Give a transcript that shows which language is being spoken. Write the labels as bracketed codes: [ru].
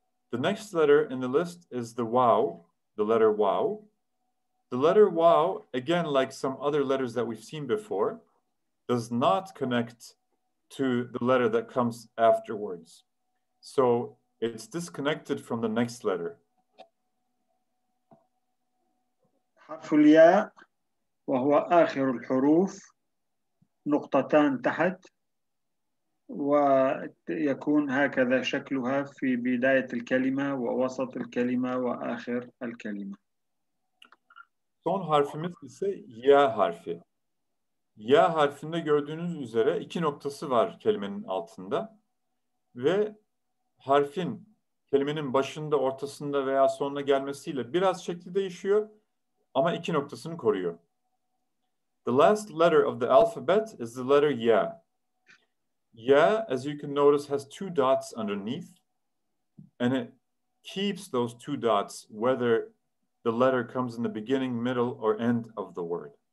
[en] The next letter in the list is the vav, the letter vav. The letter vav, again like some other letters that we've seen before, does not connect to the letter that comes afterwards. So it's disconnected from the next letter. [ar] حرف الياء وهو آخر الحروف نقطتان تحت ويكون هكذا شكلها في بداية الكلمة ووسط الكلمة وآخر الكلمة. [tr] Son harfimiz ise Y harfi. Y harfinde gördüğünüz üzere iki noktası var kelimenin altında ve harfin kelimenin başında, ortasında veya sonuna gelmesiyle biraz şekli değişiyor ama iki noktasını koruyor. [en] The last letter of the alphabet is the letter Y. Y, as you can notice, has two dots underneath, and it keeps those two dots whether the letter comes in the beginning, middle, or end of the word.